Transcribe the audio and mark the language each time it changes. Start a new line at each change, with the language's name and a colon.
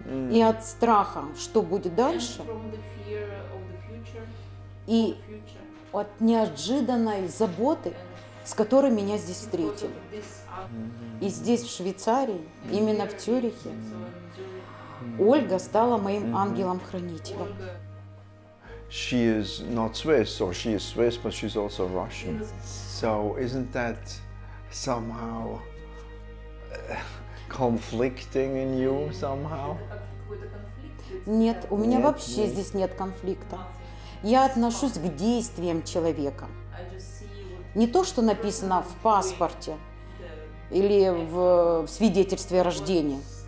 Russian: И от страха, что будет дальше, и от неожиданной заботы, с которой меня здесь встретили. И здесь, в Швейцарии, именно в Цюрихе, Ольга стала моим ангелом-хранителем.
English: She is not Swiss, or she is Swiss, but she's also Russian. So isn't that somehow conflicting in you somehow?
Russian: Нет, у меня вообще здесь нет конфликта. Я отношусь к действиям человека. Не то, что написано в паспорте или в свидетельстве о рождении.